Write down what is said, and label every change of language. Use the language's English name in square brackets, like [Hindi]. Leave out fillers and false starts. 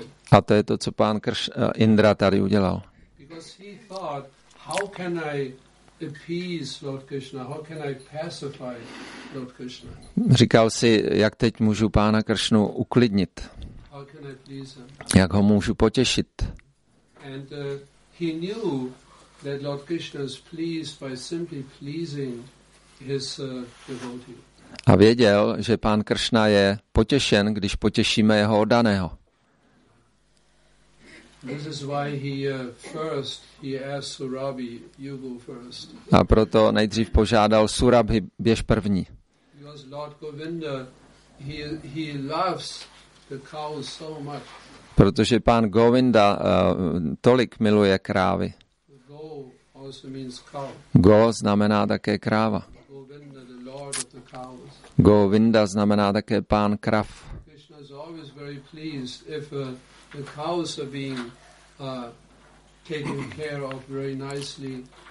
[Czech] A to je to, co pán Indra tady udělal. [English] Because he thought, how can I appease Lord Krishna? How can I pacify Lord Krishna? [Czech] Říkal si, jak teď můžu pána Kršnu uklidnit? [English] How can I please him? [Czech] Jak ho můžu potěšit? [English] And he knew that Lord Krishna is pleased by simply pleasing his devotee. [Czech] A věděl, že pán Kršna je potěšen, když potěšíme jeho oddaného. [English] This is why he asked Surabhi, you go first. [Czech] A proto nejdřív požádal Surabhi, běž první. [English] Because Lord Govinda, he loves the cows so much. [Czech] Protože pán Govinda tolik miluje krávy. [English] Go also means cow. [Czech] Go znamená také kráva. [English] Govinda, the lord of the cows. [Czech] Govinda znamená také pán krav. [English] Krishna is always very pleased if the cows are being taken care of very nicely.